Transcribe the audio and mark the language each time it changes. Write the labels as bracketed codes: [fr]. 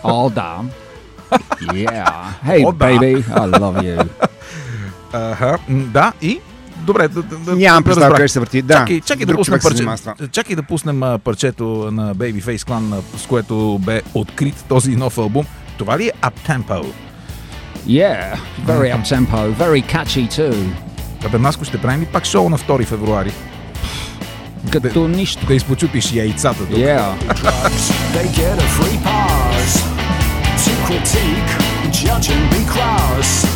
[bg] О, да. [en] Yeah. Hey, baby, I love you. [bg] Да, и? Добре, нямам представа къде ще се върти. Да. Чакай да пуснем парчето на Babyface Clan, с което бе открит този нов албум. Това ли е Up-Tempo? [en] Yeah, very Up-Tempo, very catchy too. [bg] Абе, Маско, ще правим ли пак шоу на 2 февруари? Като нищо. Да изпочупиш яйцата тук. [en] Yeah. They get a free pass to critique, judge and be cross.